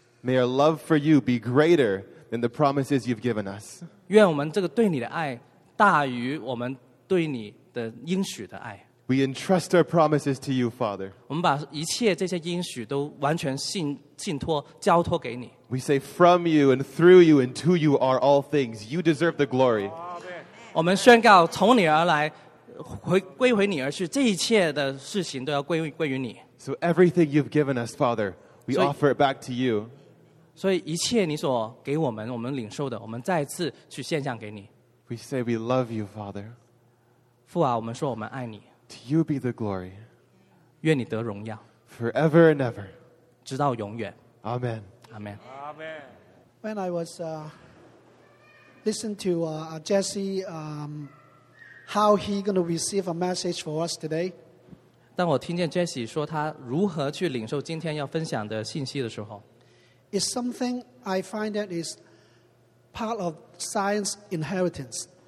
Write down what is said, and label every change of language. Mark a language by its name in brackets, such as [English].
[English] May our love for you be greater than the promises you've given us. [Chinese] 愿我们这个对你的爱大于我们对你的应许的爱。 [English] We entrust our promises to you, Father. We say, from you and through you and to you are all things. You deserve the glory. So everything you've given us, Father, we offer it back to you. We say we love you, Father. [Chinese] 父啊，我们说我们爱你。 [English] To you be the glory. [Chinese] 愿你得荣耀, [English] forever and ever. [Chinese] 直到永远, [English] Amen. Amen. Amen. When I was listening to Jesse, how he going to receive a message for us today. [Chinese] 当我听见Jesse说他如何去领受今天要分享的信息的时候, [English] it's something I find that is part of science inheritance.